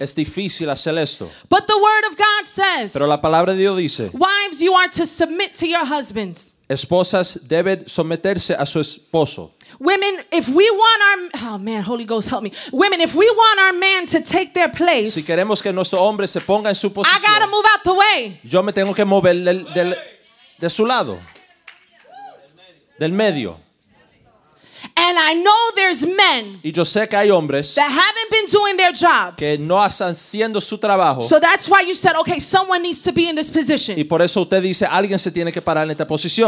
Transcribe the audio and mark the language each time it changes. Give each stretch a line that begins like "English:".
Spanish: Es difícil hacer esto.
English: But the word of God says.
Spanish: Pero la palabra de Dios dice.
English: Wives, you are to submit to your husbands.
Spanish: Esposas deben someterse a su esposo.
English: Women, if we want our Holy Ghost, help me. Women, if we want our man to take their place,
Spanish: si queremos que nuestro hombre se ponga en su posición,
English: I gotta move out the way.
Spanish: Yo me tengo que mover de su lado, del medio.
English: And I know there's men,
Spanish: y yo sé que hay hombres,
English: that haven't been doing their job,
Spanish: que no están haciendo su trabajo.
English: So that's why you said, okay, someone needs to be in this position.
Spanish: Y por eso usted dice, alguien se tiene que parar en esta posición.